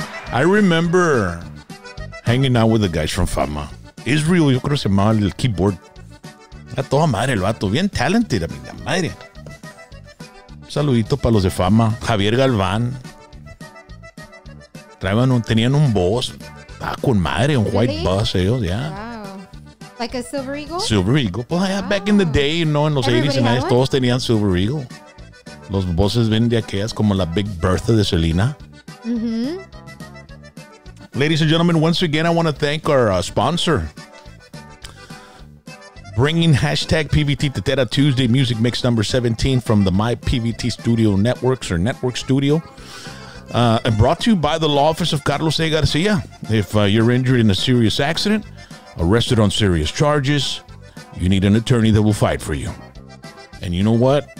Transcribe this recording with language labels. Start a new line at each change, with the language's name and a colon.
English: I remember hanging out with the guys from Fama.
Spanish: Israel, yo creo que se llamaba el keyboard. Era toda madre el vato, bien talented, amiga madre. Un saludito para los de Fama. Javier Galván. Tenían un bus. Ah, con madre, un
English: white bus
Spanish: ellos, ya. Yeah.
English: Wow. Like a Silver Eagle? Silver Eagle. Pues, yeah, wow. Back in the day, you know, en los 80s and 90s,
Spanish: todos tenían
English: Silver Eagle.
Spanish: Los voces ven de aquellas como la Big Bertha de Selena. Mm-hmm.
English: Ladies and gentlemen, once again, I want to thank our sponsor. Bringing hashtag PVT Tetera Tuesday music mix number 17 from the My PVT Studio Networks or Network Studio. And brought to you by the law office of Carlos A. Garcia. If you're injured in a serious accident, arrested on serious charges, you need an attorney that will fight for you. And you know what?